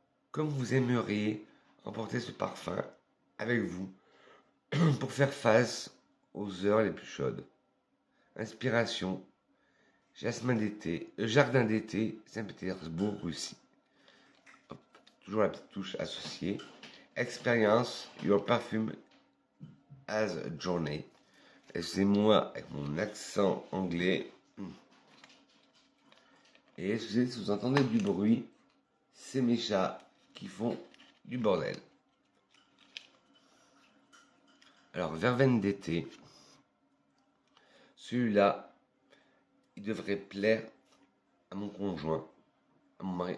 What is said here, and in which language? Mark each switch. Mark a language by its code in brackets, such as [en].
[fr] Comme vous aimeriez emporter ce parfum avec vous pour faire face aux heures les plus chaudes. Inspiration, jasmin d'été, jardin d'été, Saint-Pétersbourg, Russie. Toujours la petite touche associée. [en] Experience, your perfume as a journey. [fr] Excusez-moi avec mon accent anglais. Et excusez si vous entendez du bruit, c'est mes chats qui font du bordel. Alors, verveine d'été, celui-là, il devrait plaire à mon conjoint, à mon mari.